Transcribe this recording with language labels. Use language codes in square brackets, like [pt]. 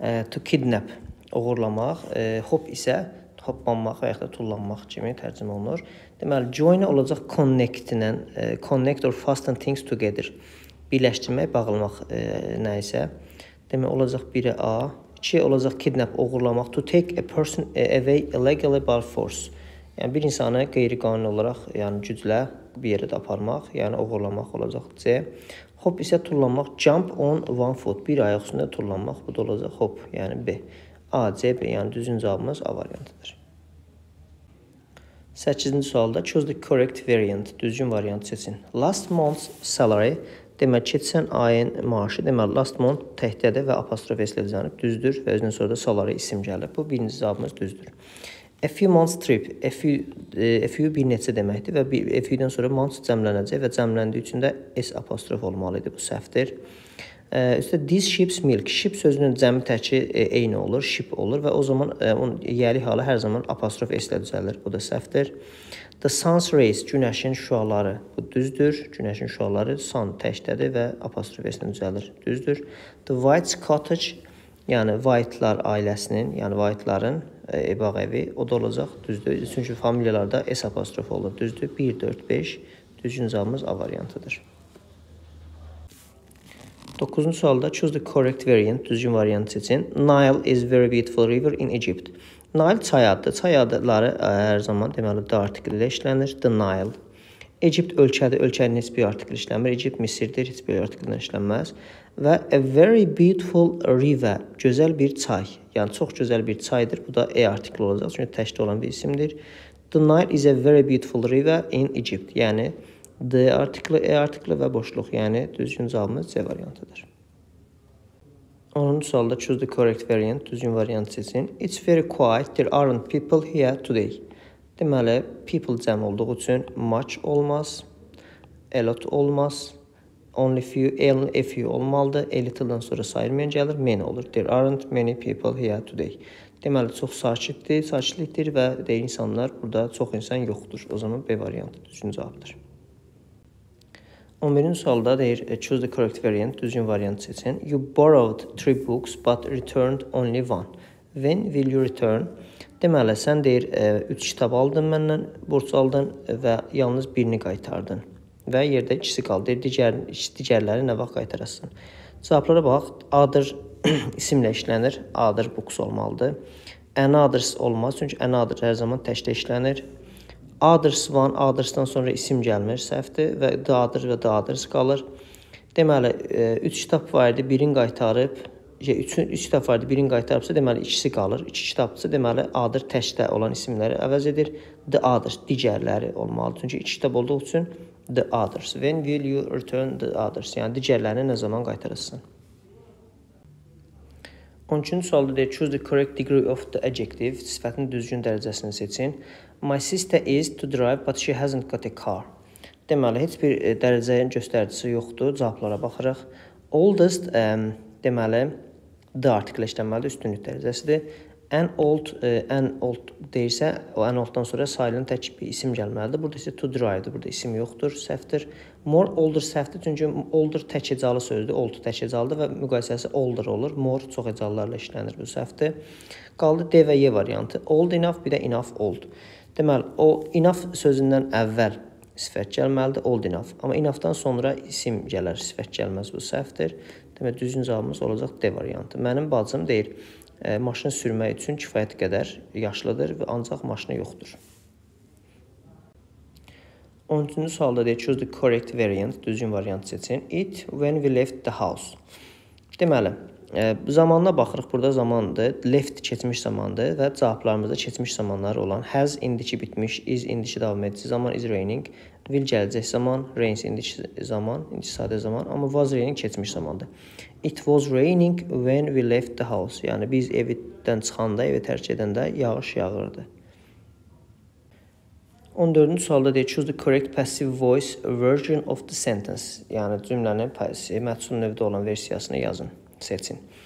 [en] To kidnap, [az] uğurlamaq. Hop isə hoplanmaq və yaxud da tullanmaq kimi tərcümə olunur. [en] Deməli, join [az] olacaq [en] connect ilə, connect or fasten things together. [az] Birləşdirmək, bağlamaq nə isə. Demək, olacaq biri A. İki olacaq kidnap, uğurlamaq. [en] To take a person away illegally by force. [az] Yəni, bir insanı qeyri-qanun olaraq, yəni güclə bir yerə də aparmaq, yəni uğurlamaq olacaq C. Hop isə tullanmaq, [en] jump on one foot, [az] bir ayaq üstündə tullanmaq, bu da olacaq hop, yəni B. A, C, B, yəni düzgün cavabımız A variantıdır. 8-ci sualda, [en] choose the correct variant, [az] düzgün variant seçin. [en] Last month's salary, [az] demək keçən ayın maaşı, demək last month təhdiyədə və apostrof esləyəcənib, düzdür və özünün sonra da salary isim gəlir. Bu, birinci cavabımız düzdür. [en] A few months trip, [az] a few bir neçə deməkdir və a few-dən sonra months cəmlənəcək və cəmləndiyi üçün də S apostrof olmalıdır, bu səhvdir. Üstə [en] this ship's milk, [az] ship sözünün cəmi təki eyni olur, ship olur və o zaman onun yəli halı hər zaman apostrof S-lə düzəlir, bu da səhvdir. [en] The sun's rays, [az] günəşin şüaları, bu düzdür, günəşin şüaları, sun təkdədir və apostrof S-lə düzəlir, düzdür. [en] The White's cottage, [az] yəni White'lar ailəsinin, yəni White'ların ebaq evi, o da olacaq, düzdür. Çünki familiyalarda S apostrof olur, düzdür. 1, 4, 5, düzgün cavabımız A variantıdır. 9-cu sualda [en] choose the correct variant, [az] düzgün variant seçin. [en] Nile is very beautiful river in Egypt. [az] Nile çay adı, çay adları hər zaman, deməli, the artikli ilə işlənir, the Nile. Egypt ölkədir, ölkənin heç bir artikli işlənmir, Egypt Misirdir, heç bir artikli işlənməz. Və a very beautiful river, gözəl bir çay, yəni çox gözəl bir çaydır, bu da E artikli olacaq, çünki təşkil olan bir isimdir. [en] The Nile is a very beautiful river in Egypt, [az] yəni D artiklı, E artiklı və boşluq, yəni düzgün cavabımız C variantıdır. 10-cu sualda [en] choose the correct variant, [az] düzgün variant seçin. [en] It's very quiet, there aren't people here today. [az] Deməli, people cəm olduğu üçün much olmaz, a lot olmaz, only few, [en] only a few [az] olmalıdır, a little-dan sonra sayılmayan gəlir, many olur. [en] There aren't many people here today. [az] Deməli, çox sakitdir, sakitlikdir və deyil insanlar, burada çox insan yoxdur. O zaman B variantı düzgün cavabdır. 11-ci sualda deyir, [en] choose the correct variant, [az] düzgün variant seçin. [en] You borrowed three books, but returned only one. When will you return? [az] Deməli, sən deyir, 3 kitab aldın məndən, borç aldın və yalnız birini qaytardın. Və yerdə ikisi qaldı, digərləri nə vaxt qaytarasın? Cavablara bax, other isimlə işlənir, other books olmalıdır. Another's olmaz, çünki another hər zaman təşkil işlənir. Others one, others-dan sonra isim gəlmir səhvdir və [en] the others [az] və the others qalır. Deməli, 3 kitab var idi, birini qaytarıb, 3 kitab var idi, birini qaytarıbsa, deməli, ikisi qalır. 2 kitabsa, deməli, other təkdə olan isimləri əvəz edir. The others, digərləri olmalıdır. Çünki 2 kitab olduğu üçün the others. [en] When will you return the others? [az] Yəni, digərlərini nə zaman qaytarırsın? 12-ci sualda deyir, [en] choose the correct degree of the adjective, [az] sifətin düzgün dərəcəsini seçin. [en] My sister is to drive, but she hasn't got a car. [az] Deməli, heç bir dərəcənin göstəricisi yoxdur. Cavablara baxırıq. Oldest, deməli, the artikli işlənməlidir, üstünlük dərəcəsidir. An old, an old deyirsə, o an old'dan sonra silent tək bir isim gəlməlidir. Burada isə to drive'dir. Burada isim yoxdur, səhvdir. More older səhvdir. Çünki older tək ecalı sözdür. Old tək ecalıdır və müqayisəsi older olur. More çox ecallarla işlənir bu səhvdir. Qaldı D və Y variantı. [en] Old enough, [az] bir də enough old. Deməli, o enough sözündən əvvəl sifət gəlməlidir. Old enough. Amma enough'dan sonra isim gələr, sifət gəlməz bu səhvdir. Deməli, düzgün cavabımız olacaq D variantı. Mənim bacım deyir. Maşın sürmək üçün kifayət qədər yaşlıdır və ancaq maşını yoxdur. 13-cü sualda deyir, [en] choose the correct variant, [az] düzgün variant seçin. [en] It, when we left the house. [az] Deməli, zamanına baxırıq, burada zamandır, left keçmiş zamandır və cavablarımızda keçmiş zamanlar olan has indiki bitmiş, is indiki davam edici zaman, is raining, will gələcək zaman, rains indiki zaman, indiki sadə zaman, amma was raining keçmiş zamandır. [en] It was raining when we left the house. [az] Yəni, biz evdən çıxanda, evi tərk edəndə yağış yağırdı. 14-cü sualda deyir, [en] choose the correct passive voice version of the sentence. [az] Yəni, cümlənin məhsul növdə olan versiyasını yazın, seçin.